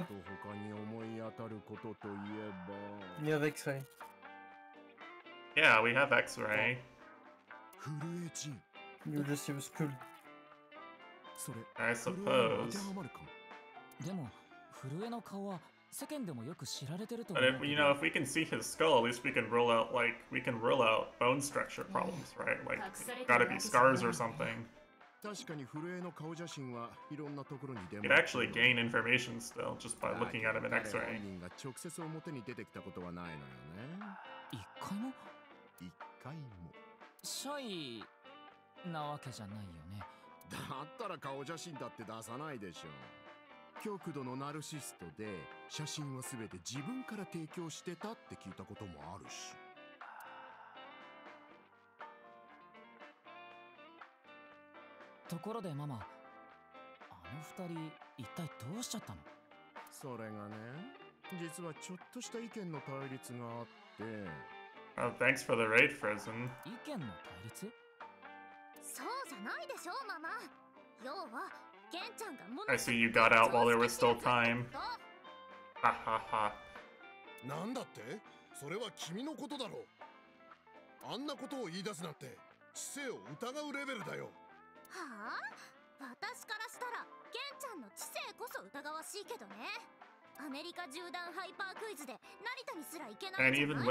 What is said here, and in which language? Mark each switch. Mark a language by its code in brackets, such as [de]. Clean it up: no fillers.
[ja] あと他に思い当たることといえば。 [en] You have X-ray. Yeah, we have X-ray. [ja] フルエチン。 [en] You just seem cool. [ja] それ。 [en] I suppose. [ja] でも、フルエの顔は世間でもよく知られてると思う。 [en] But if, you know, if we can see his skull, at least we can rule out, like, we can rule out bone structure problems, right? Like, gotta be scars or something. [ja] 確かにフルエの顔写真はいろんなところに出る。 [en] You'd actually gain information still, just by looking at him in X-ray. [ja] 犯人が直接表に出てきたことはないのよね。一回も？一回も。シャイなわけじゃないよね。だったら顔写真だって出さないでしょ。極度のナルシストで、写真はすべて自分から提供してたって聞いたこともあるし。ところでママ、あの二人一体どうしちゃったの？それがね、実はちょっとした意見の対立があって。 [en] Oh, thanks for the raid, Frozen. [ja] 意見の対立？そうじゃないでしょう、ママ。要は。 [en] I see you got out while there was still time. Ha ha ha. [ja] なんだって？それは君のことだろう。あんなことを言い出すなんて、知性を疑うレベルだよ。はあ？私からしたら、ケンちゃんの知性こそ疑わしいけどね。アメリカ縦断ハイパークイズで成田にすら行けないじゃない？